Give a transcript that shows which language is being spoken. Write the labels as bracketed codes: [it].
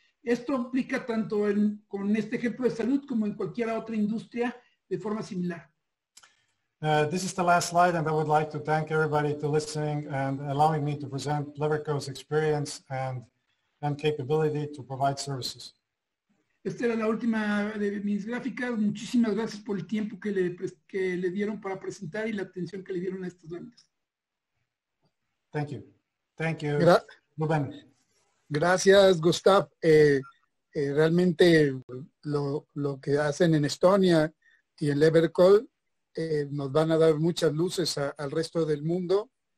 [es] Esto aplica tanto con este ejemplo de salud como en cualquier otra industria de forma similar. [en] This is the last slide, and I would like to thank everybody for listening and allowing me to present Leverco's experience and capability to provide services. [es] Esta era la última de mis gráficas. Muchísimas gracias por el tiempo que le dieron para presentar y la atención que le dieron a estos grandes. [en] Thank you. Thank you. [es] Gracias, Gustav. Realmente lo que hacen en Estonia y en Leverco nos van a dar muchas luces al resto del mundo.